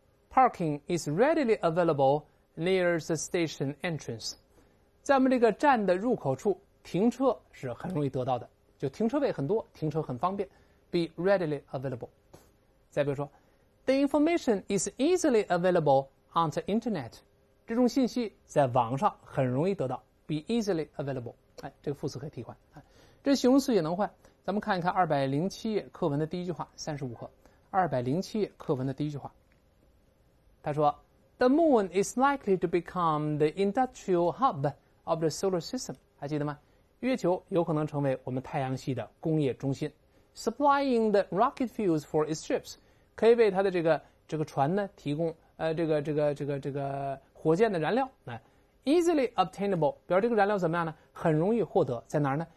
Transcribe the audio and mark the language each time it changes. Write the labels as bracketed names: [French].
[English] parking is readily available near the station entrance. [Chinese] 在我们这个站的入口处，停车是很容易得到的，就停车位很多，停车很方便。 [English] Be readily available. [Chinese] 再比如说 [English] ,the information is easily available on the internet. [Chinese] 这种信息在网上很容易得到。 [English] Be easily available. [Chinese] 哎，这个副词可以替换。这形容词也能换。咱们看一看207页课文的第一句话 ,35 课。 207页课文的第一句话。 [English] 他说 ,the moon is likely to become the industrial hub of the solar system. [Chinese] 还记得吗？月球有可能成为我们太阳系的工业中心。 [English] Supplying the rocket fuels for its ships, [Chinese] 可以为它的这个船呢提供这个火箭的燃料。 [English] Easily obtainable, [Chinese] 比如这个燃料怎么样呢？很容易获得，在哪儿呢？